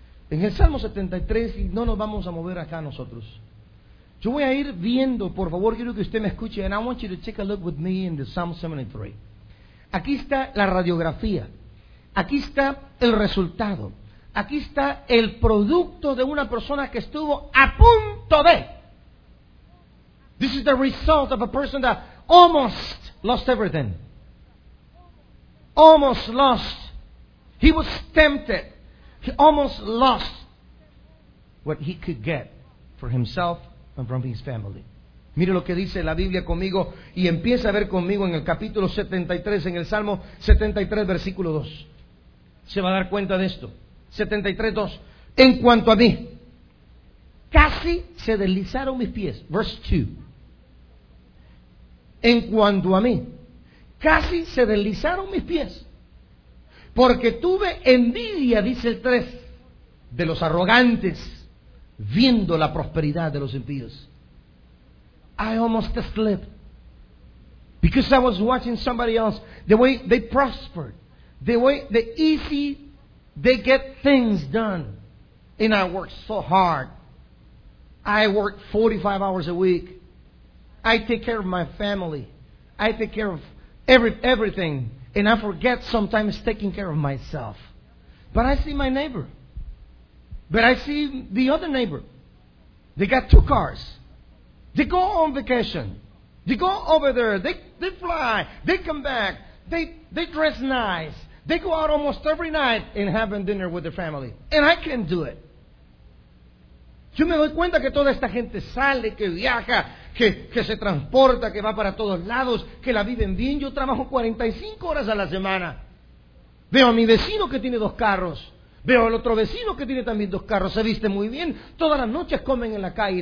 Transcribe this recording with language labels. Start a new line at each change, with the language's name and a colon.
Spanish: En el Salmo 73, y no nos vamos a mover acá nosotros. Yo voy a ir viendo, por favor, quiero que usted me escuche.
English: And I want you to take a look with me in the Psalm 73.
Spanish: Aquí está la radiografía. Aquí está el resultado. Aquí está el producto de una persona que estuvo a punto de.
English: This is the result of a person that almost lost everything. Almost lost. He was tempted. He almost lost what he could get for himself and from his family.
Spanish: Mire lo que dice la Biblia conmigo, y empieza a ver conmigo en el capítulo 73, en el Salmo 73, versículo 2. se va a dar cuenta de esto. 73:2. En cuanto a mí, casi se deslizaron mis pies.
English: Verse 2.
Spanish: En cuanto a mí, casi se deslizaron mis pies, porque tuve envidia, dice el 3, de los arrogantes, viendo la prosperidad de los impíos.
English: I almost slipped because I was watching somebody else, the way they prospered, the way the easy they get things done, and I worked so hard. I worked 45 hours a week. I take care of my family. I take care of everything, and I forget sometimes taking care of myself. But I see my neighbor. But I see the other neighbor. They got 2 cars. They go on vacation. They go over there. They fly. They come back. They dress nice. They go out almost every night and have a dinner with their family. And I can't do it.
Spanish: Yo me doy cuenta que toda esta gente sale, que viaja, que se transporta, que va para todos lados, que la viven bien. Yo trabajo 45 horas a la semana. Veo a mi vecino que tiene 2 carros. Veo al otro vecino que tiene también 2 carros. Se viste muy bien. Todas las noches comen en la calle.